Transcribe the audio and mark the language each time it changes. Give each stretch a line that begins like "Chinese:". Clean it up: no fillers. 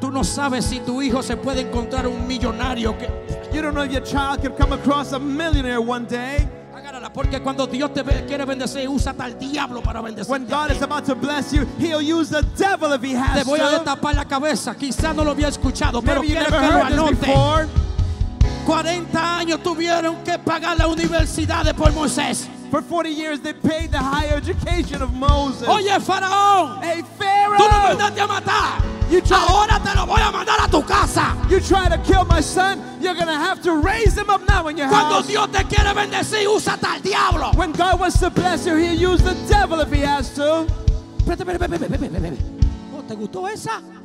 Spanish: Tú no sabes si tu hijo se puede encontrar un millonario. Que...
English: You don't know if your child could come across a millionaire one day.
Spanish: Porque cuando Dios te quiere bendecir, usa al diablo para bendecirte.
English: When God is about to bless you, he'll use the devil if he has to.
Spanish: Te voy a destapar la cabeza. Quizás no lo había escuchado, pero quiero que lo anote. 40 años tuvieron que pagar las universidades por Moisés.
English: For 40 years they paid the higher education of Moses.
Spanish: Oye, faraón.
English: Hey, Pharaoh.
Spanish: Tú no mandaste a matar. Ahora te lo voy a mandar a tu casa.
English: You try to kill my son, you're going to have to raise him up now in your
Spanish: Cuando
English: house.
Spanish: Dios te quiere bendecir, usa al diablo.
English: When God wants to bless you, he'll use the devil if he has to.
Spanish: Espérate. Oh, ¿te gustó esa?